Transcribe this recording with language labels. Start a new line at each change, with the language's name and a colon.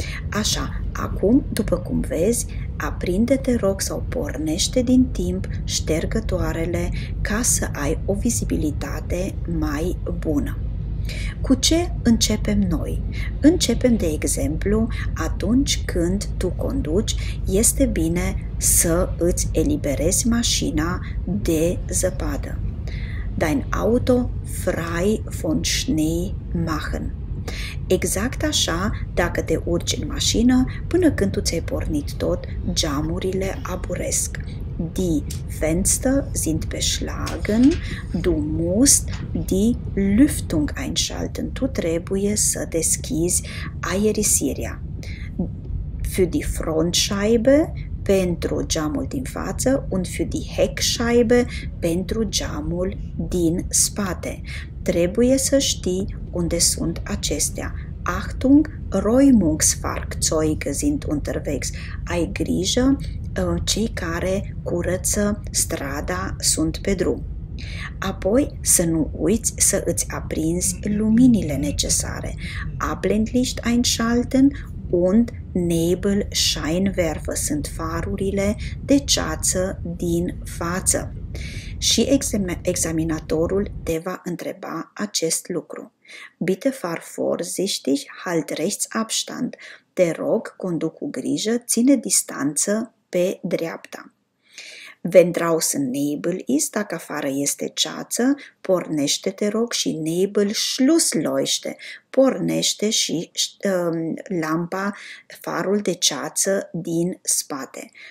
Romanian: Așa, acum, după cum vezi, aprinde-te rog sau pornește din timp ștergătoarele ca să ai o vizibilitate mai bună. Cu ce începem noi? Începem, de exemplu, atunci când tu conduci, este bine să îți eliberezi mașina de zăpadă.
German: Dein Auto frei von Schnee machen.
Romanian: Exact așa, dacă te urci în mașină, până când tu ți-ai pornit tot, geamurile aburesc.
German: Die Fenster sind beschlagen, du musst die Lüftung einschalten.
Romanian: Tu trebuie să deschizi aerisirea.
German: Für die Frontscheibe,
Romanian: pentru geamul din față,
German: und für die Heckscheibe,
Romanian: pentru geamul din spate. Trebuie să știi unde sunt acestea.
German: Achtung, Räumungsfahrzeuge sind unterwegs.
Romanian: Ai grijă, cei care curăță strada sunt pe drum. Apoi să nu uiți să îți aprinzi luminile necesare.
German: Ablendlicht einschalten und Nebelscheinwerfer
Romanian: sunt farurile de ceață din față. Și examinatorul te va întreba acest lucru.
German: Bitte fahr vorsichtig, halt Rechtsabstand.
Romanian: Te rog, conduc cu grijă, ține distanță pe dreapta.
German: Wenn draußen Nebel ist,
Romanian: dacă afară este ceață, pornește, te rog, și
German: Nebel Schlussleuchte.
Romanian: Pornește și lampa, farul de ceață din spate.